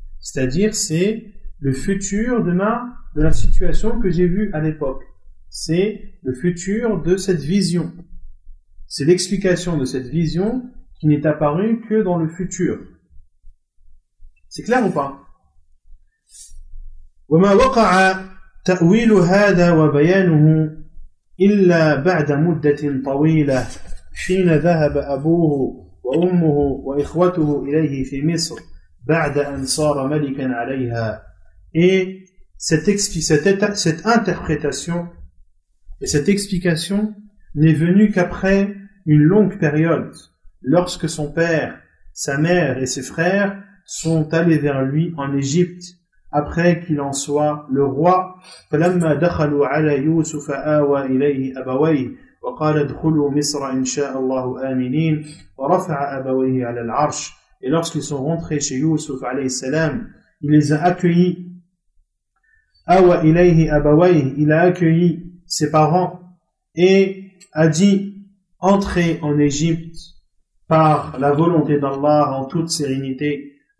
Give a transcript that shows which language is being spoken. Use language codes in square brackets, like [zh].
[fr] C'est-à-dire, c'est le futur de de la situation que j'ai vue à l'époque. C'est le futur de cette vision. C'est l'explication de cette vision qui n'est apparue que dans le futur. C'est clair ou pas? [ar] وما وقع تأويل هذا وبيانه إلا بعد مدة طويلة حين ذهب أبوه وأمه وإخوته إليه في مصر بعد أن صار ملكا عليها. [fr] Et cette interprétation et cette explication n'est venue qu'après une longue période, lorsque son père, sa mère et ses frères sont allés vers lui en Égypte. Après qu'il en soit le roi, [ar] فَلَمَّا دَخَلُوا عَلَى يُوسُفَ آوَى إِلَيْهِ أَبَوَيْهِ وَقَالَ ادْخُلُوا مِصْرَ إِنْ شَاءَ اللَّهُ آمِنِينَ وَرَفَعَ أَبَوَيْهِ عَلَى الْعَرْشِ. [fr] Et lorsqu'ils sont rentrés chez Youssouf عليه السلام, il les a accueillis. [ar] آوَى إِلَيْهِ أَبَوَيْهِ, [fr] il a accueilli ses parents et a dit, entrez en Égypte par la volonté d'Allah en toute sérénité.